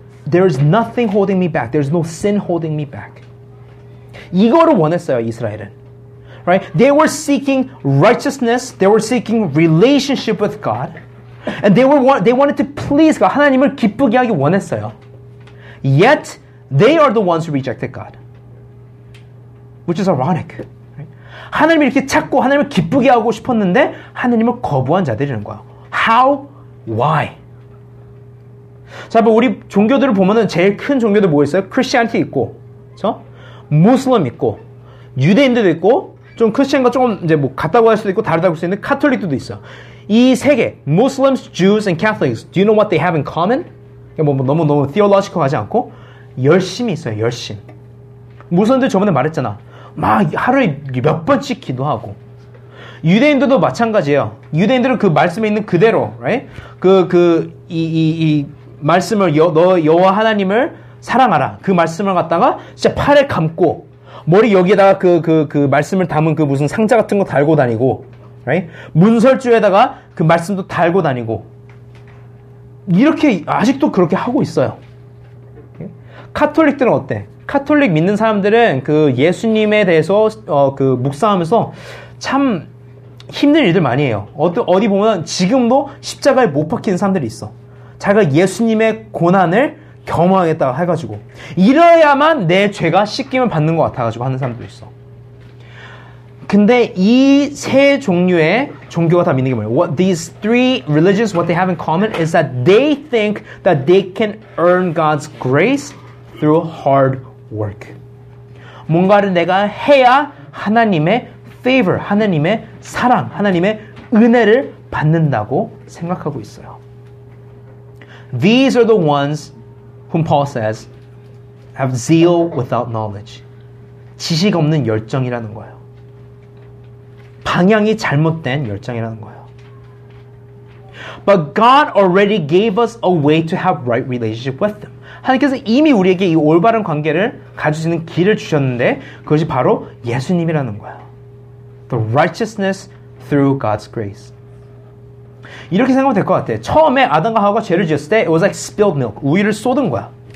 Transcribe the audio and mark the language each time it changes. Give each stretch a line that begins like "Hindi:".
English: There is nothing holding me back. There is no sin holding me back.
Korean: 이거를 원했어요, 이스라엘은.
English: Right? They were seeking righteousness. They were seeking relationship with God. And they wanted to please God.
Korean: 하나님을 기쁘게 하기 원했어요.
English: Yet, they are the ones who rejected God. Which is ironic. Right?
Korean: 하나님을 이렇게 찾고 하나님을 기쁘게 하고 싶었는데 하나님을 거부한 자들이라는 거야.
English: How? Why?
Korean: 자, 우리 종교들을 보면은 제일 큰 종교들 뭐 있어요? Christianity 있고, 그쵸? 무슬림 있고, 유대인들도 있고, 좀 크리스천과 조금 이제 뭐 같다고 할 수도 있고 다르다고 할 수 있는 카톨릭들도 있어. 이 세 개,
English: Muslims, Jews, and Catholics, do you know what they have in common?
Korean: 너무 theological 하지 않고 열심히 있어요, 열심. 무슬림들 저번에 말했잖아. 막 하루에 몇 번씩 기도하고. 유대인들도 마찬가지예요. 유대인들은 그 말씀에 있는 그대로, right? 그 말씀을 너 여호와 하나님을 사랑하라. 그 말씀을 갖다가 진짜 팔에 감고 머리 여기에다가 그 말씀을 담은 그 무슨 상자 같은 거 달고 다니고, right? 문설주에다가 그 말씀도 달고 다니고 이렇게 아직도 그렇게 하고 있어요. 카톨릭들은 어때? 카톨릭 믿는 사람들은 그 예수님에 대해서 그 묵상하면서 참 힘든 일들 많이 해요. 어디 보면 지금도 십자가에 못 박힌 사람들이 있어. 자기가 예수님의 고난을 겸허하겠다고 해가지고 이러야만 내 죄가 씻김을 받는 것 같아가지고 하는 사람도 있어. 근데 이 세 종류의 종교가 다 믿는 게 뭐예요?
English: What these three religions, what they have in common is that they think that they can earn God's grace through hard work.
Korean: 뭔가를 내가 해야 하나님의 favor, 하나님의 사랑, 하나님의 은혜를 받는다고 생각하고 있어요.
English: These are the ones whom Paul says have zeal without knowledge.
Korean: 지식 없는 열정이라는 거예요. 방향이 잘못된 열정이라는 거예요.
English: But God already gave us a way to have right relationship with them.
Korean: 하나님께서 이미 우리에게 이 올바른 관계를 가질 수 있는 길을 주셨는데 그것이 바로 예수님이라는 거예요.
English: The righteousness through God's grace.
Korean: 이렇게 생각하면 될 것 같아. 처음에 아담과 하와가 죄를 지었을 때
English: it was like spilled milk.
Korean: 우유를 쏟은 거야.